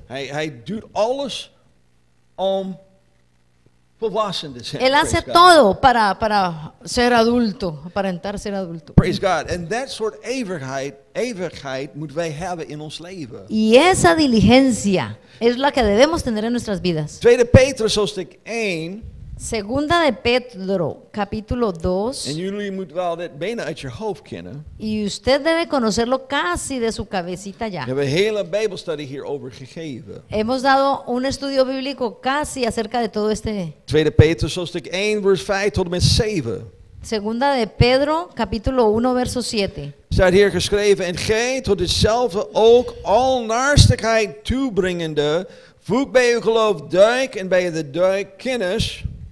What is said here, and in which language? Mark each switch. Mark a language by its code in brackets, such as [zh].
[nl] Hij doet alles om volwassen te zijn. [es] Él hace todo para ser adulto, aparentar ser adulto. [en] Praise God. And that sort of [nl] ijverigheid moet wij hebben in ons leven. [es] Y esa diligencia es la que debemos tener en nuestras vidas. [nl] 2 Petrus hoofdstuk 1. [es] Segunda de Pedro, capítulo 2. [nl] En jullie moeten wel dit bijna uit je hoofd kennen. [es] Y usted debe conocerlo casi de su cabecita ya. [nl] We hebben een hele Bijbelstudie hierover gegeven. [es] Hemos dado un estudio bíblico casi acerca de todo este. [nl] 2 Petrus, hoofdstuk 1, vers 5 tot en met 7. [es] Segunda de Pedro, capítulo 1, verso 7. [nl] Staat hier geschreven: en gij tot hetzelfde ook al naarstigheid toebrengende. Voeg bij uw geloof duik en bij de duik kennis.